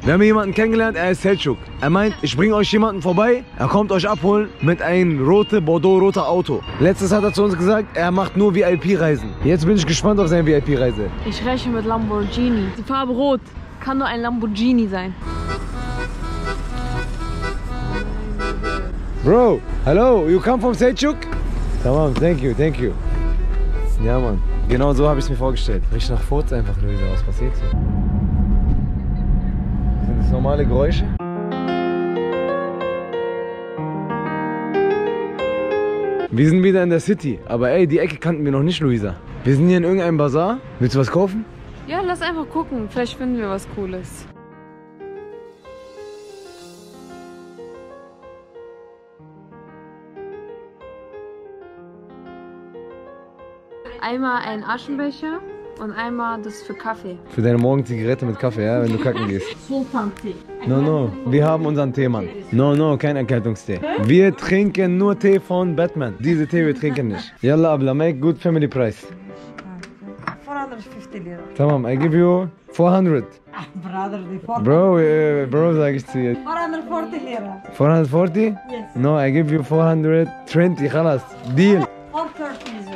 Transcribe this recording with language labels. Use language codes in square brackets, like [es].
[de] Wir haben jemanden kennengelernt, er ist Selçuk. Er meint, ich bringe euch jemanden vorbei. Er kommt euch abholen mit einem roten, Bordeaux-roten Auto. Letztes hat er zu uns gesagt, er macht nur VIP-Reisen. Jetzt bin ich gespannt auf seine VIP-Reise. Ich rechne mit Lamborghini. Die Farbe rot kann nur ein Lamborghini sein. [en] Bro, hallo, you come from Selçuk? Tamam, thank you. [de] Ja, Mann. Genau so habe ich es mir vorgestellt. Riecht nach Furz einfach, Luisa. Was passiert hier? Sind das normale Geräusche? Wir sind wieder in der City. Aber ey, die Ecke kannten wir noch nicht, Luisa. Wir sind hier in irgendeinem Bazar. Willst du was kaufen? Ja, lass einfach gucken. Vielleicht finden wir was Cooles. Einmal einen Aschenbecher und einmal das für Kaffee. Für deine Morgenzigarette mit Kaffee, ja, wenn du kacken gehst. Sofa-Tee. No, wir haben unseren Tee, Mann. No, kein Erkältungstee. Wir trinken nur Tee von Batman. Diese Tee wir trinken nicht. [en] Yalla, abla, make good family price. 450 Lira. Tamam, I give you 400. Brother, the [de] 400. Bro, sag ich zu dir. 440 Lira. 440? [en] Yes. No, I give you 420, khalas. Deal. 430.